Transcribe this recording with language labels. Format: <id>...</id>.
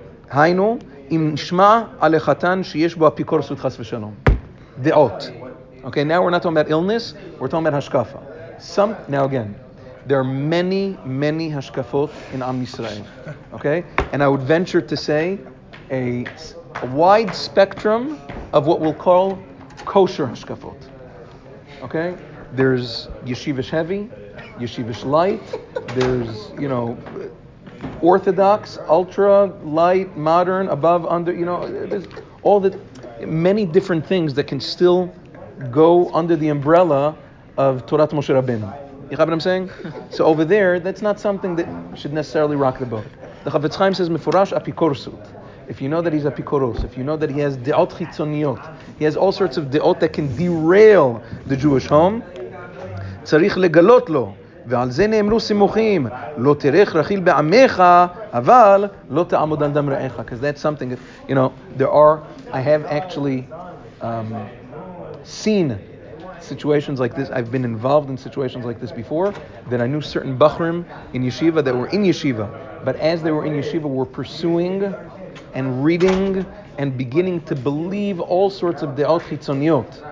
<he>היינו, אם נשמע על החתן שיש בו אפיקורסות חס ושלום. דעות.</he> <en>Okay, now we're not talking about illness, we're talking about השקפה. Now again, there are many, many השקפות in Am Yisrael. Okay, and I would venture to say a wide spectrum of what we'll call kosher השקפות. Okay, there's yeshivish heavy, yeshivish light, there's, you know, orthodox, ultra light, modern, above, under, you know, there's all the many different things that can still go under the umbrella of Torah Moshe Rabbeinu. You have what I'm saying? So over there, that's not something that should necessarily rock the boat. The Chafetz Chaim says, Mefurash apikorsut. If you know that he's apikoros, if you know that he has deot chitzoniot, he has all sorts of deot that can derail the Jewish home,</en> <he>צריך לגלות לו. ועל זה נאמרו סימוכים, לא תרח רחיל בעמך, אבל לא תעמוד על דם רעך.</he> <en>Because that's something, you know, I have actually seen situations like this. I've been involved in situations like this before, that I knew certain bachrim in yeshiva that were in yeshiva. But as they were in yeshiva, were pursuing and reading and beginning to believe all sorts of de'ot chitzoniot.</en>